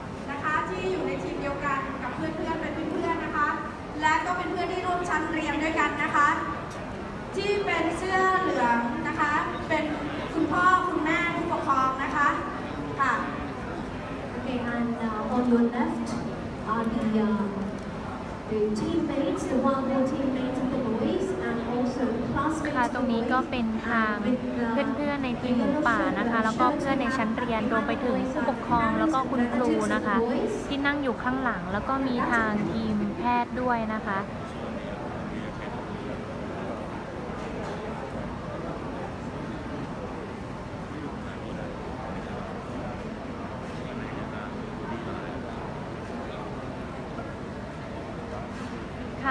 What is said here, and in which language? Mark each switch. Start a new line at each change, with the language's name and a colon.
Thai: นะคะที่อยู่ในทีมเดียวกันกับเพื่อนๆเป็นเพื่อนๆนะคะและก็เป็นเพื่อนที่ร่วมชั้นเรียนด้วยกันนะคะที่เป็นเสื้อเหลืองนะคะเป็นคุณพ่อคุณแม่ผู้ปกครองนะคะค่ะ
English: Okay, and on your left are the teammates, the volunteer teammates of the boys and also classmates.
Thai: ค่ะตรงนี้ก็เป็นทางเพื่อนๆในทีมหมูป่านะคะแล้วก็เพื่อนในชั้นเรียนรวมไปถึงผู้ปกครองแล้วก็คุณครูนะคะที่นั่งอยู่ข้างหลังแล้วก็มีทางทีมแพทย์ด้วยนะคะค่ะ